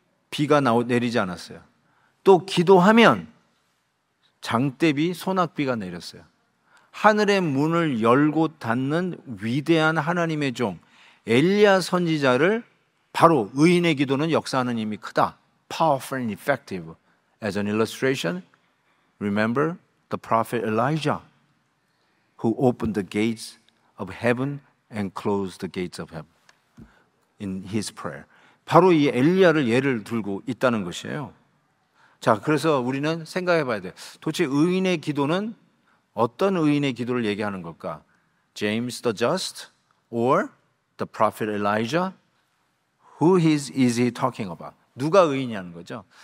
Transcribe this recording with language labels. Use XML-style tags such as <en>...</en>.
<ko>비가 내리지 않았어요. 또 기도하면 장대비 소낙비가 내렸어요. 하늘의 문을 열고 닫는 위대한 하나님의 종 엘리야 선지자를 바로 의인의 기도는 역사하는 힘이 크다.</ko> <en>Powerful and effective. As an illustration, remember the prophet Elijah who opened the gates of heaven and closed the gates of heaven in his prayer.</en> <ko>바로 이 엘리야를 예를 들고 있다는 것이에요. 자, 그래서 우리는 생각해 봐야 돼요. 도대체 의인의 기도는 어떤 의인의 기도를 얘기하는 걸까?</ko> <en>James the Just or the prophet Elijah? Who is he talking about?</en> <ko>누가 의인이냐는 거죠.</ko>